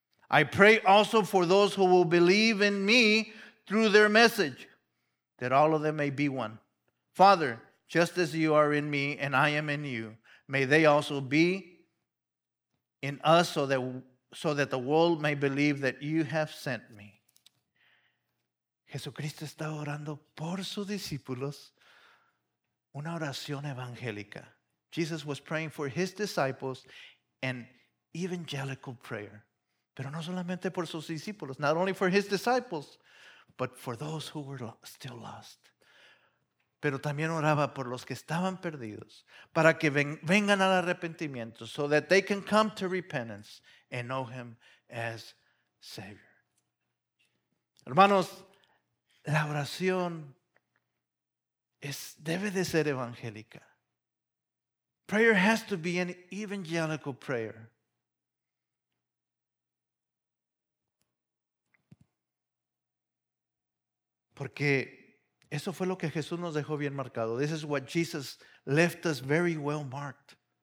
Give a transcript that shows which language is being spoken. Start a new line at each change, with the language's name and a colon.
English: I pray also for those who will believe in me through their message, that all of them may be one. Father, just as you are in me and I am in you, may they also be in us so that the world may believe that you have sent me.
Spanish: Jesucristo está orando por sus discípulos una oración evangélica.
English: Jesus was praying for his disciples an evangelical prayer.
Spanish: Pero no solamente por sus discípulos,
English: not only for his disciples, but for those who were still lost.
Spanish: Pero también oraba por los que estaban perdidos, para que vengan al arrepentimiento,
English: so that they can come to repentance and know him as Savior.
Spanish: Hermanos, la oración debe de ser evangélica.
English: Prayer has to be an evangelical prayer.
Spanish: Porque eso fue lo que Jesús nos dejó bien marcado.
English: This is what Jesus left us very well marked.